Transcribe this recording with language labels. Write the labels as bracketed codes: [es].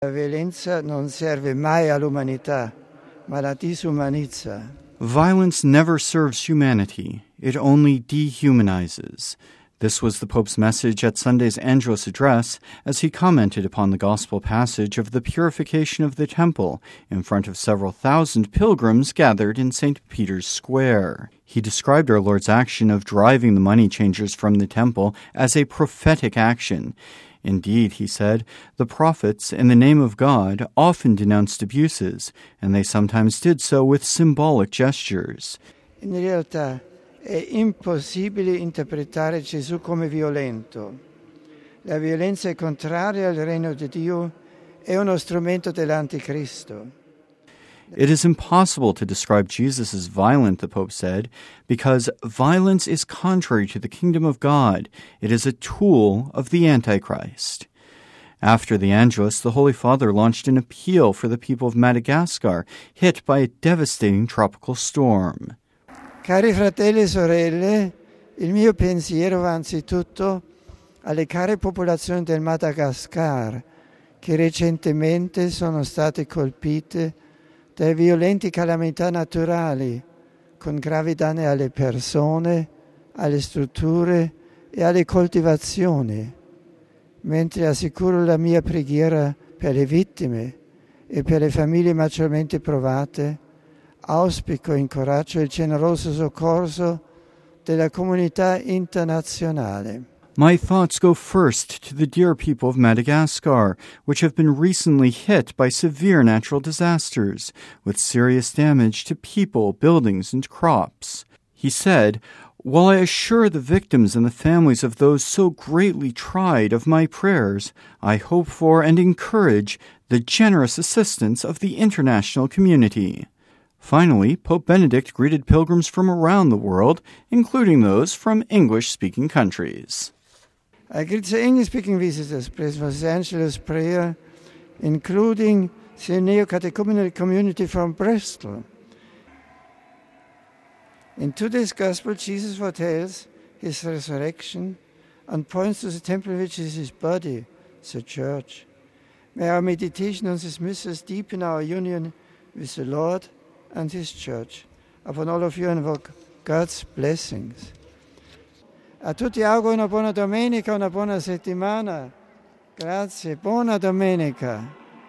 [it] La violenza non serve mai all'umanità, ma la disumanizza. [en] Violence never serves humanity. It only dehumanizes. This was the Pope's message at Sunday's Angelus address as he commented upon the gospel passage of the purification of the temple in front of several thousand pilgrims gathered in St. Peter's Square. He described our Lord's action of driving the money changers from the temple as a prophetic action. Indeed, he said, the prophets, in the name of God, often denounced abuses, and they sometimes did so with symbolic gestures. [it] In realtà, è impossibile interpretare Gesù come violento. La violenza è contraria al regno di Dio, è uno strumento dell'anticristo. [en] It is impossible to describe Jesus as violent, the Pope said, because violence is contrary to the kingdom of God. It is a tool of the Antichrist. After the Angelus, the Holy Father launched an appeal for the people of Madagascar, hit by a devastating tropical storm. [it] Cari fratelli e sorelle, il mio pensiero va anzitutto alle care popolazioni del Madagascar, che recentemente sono state colpite dai violenti calamità naturali, con gravi danni alle persone, alle strutture e alle coltivazioni, mentre assicuro la mia preghiera per le vittime e per le famiglie maggiormente provate, auspico e incoraggio il generoso soccorso della comunità internazionale. [en] My thoughts go first to the dear people of Madagascar, which have been recently hit by severe natural disasters, with serious damage to people, buildings, and crops. He said, while I assure the victims and the families of those so greatly tried of my prayers, I hope for and encourage the generous assistance of the international community. Finally, Pope Benedict greeted pilgrims from around the world, including those from English-speaking countries. I greet the English-speaking visitors, praise for the Angelus prayer, including the neo-catechumenal community from Bristol. In today's Gospel, Jesus foretells his resurrection and points to the temple which is his body, the Church. May our meditation on this mystery deepen our union with the Lord and his Church. Upon all of you, invoke God's blessings. [it] A tutti auguro una buona domenica, una buona settimana. Grazie, buona domenica.